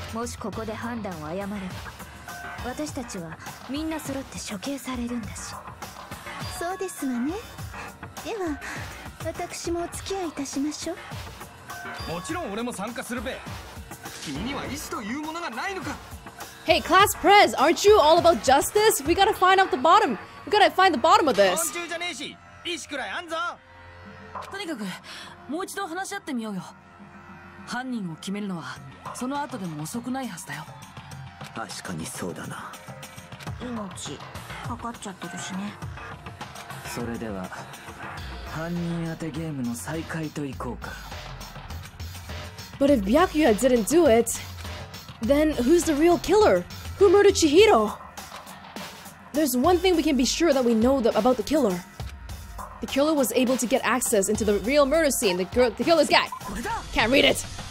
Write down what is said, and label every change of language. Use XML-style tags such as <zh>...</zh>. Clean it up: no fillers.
<ja>もしここで判断を誤れば、私たちはみんな揃って処刑されるんだし。そうですわね。では私もお付き合いいたしましょう。もちろん俺も参加するべ。君には意思というものがないのか。</ja> <en>Hey, class prez, aren't you all about justice? We gotta find out the bottom. We gotta find the bottom of this.</en> <ja>昆虫じゃねえし、意思くらいあんぞ。とにかくもう一度話し合ってみようよ。犯人を決めるのはその後でも遅くないはずだよ。確かにそうだな。命かかっちゃってるしね。それでは犯人当てゲームの再開といこうか。</ja> <en>But if Byakuya didn't do it, then who's the real killer? Who murdered Chihiro? There's one thing we can be sure that we know about the killer. The killer was able to get access into the real murder scene. The killer's guy. Can't read it!</en>